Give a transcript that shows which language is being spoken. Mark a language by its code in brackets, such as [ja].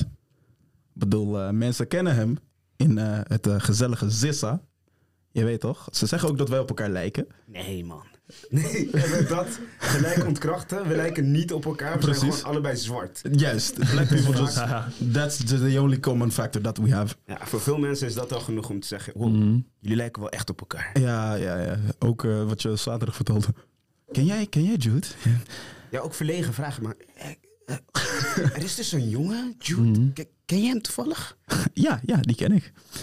[nl] Ik bedoel, mensen kennen hem in het gezellige Zissa. Je weet toch? Ze zeggen ook dat wij op elkaar lijken. Nee, man. Nee, dat gelijk ontkrachten. We lijken niet op elkaar. We zijn gewoon allebei zwart. Juist. [en] Black people just... That's the only common factor that we have. [nl] Ja, voor veel mensen is dat al genoeg om te zeggen... jullie lijken wel echt op elkaar. Ja. Ook wat je zaterdag vertelde. Ken jij Jude? Ja, ook verlegen vragen, maar... er is dus een jongen, Jude. Mm-hmm. Ken jij hem toevallig? Ja, die ken ik.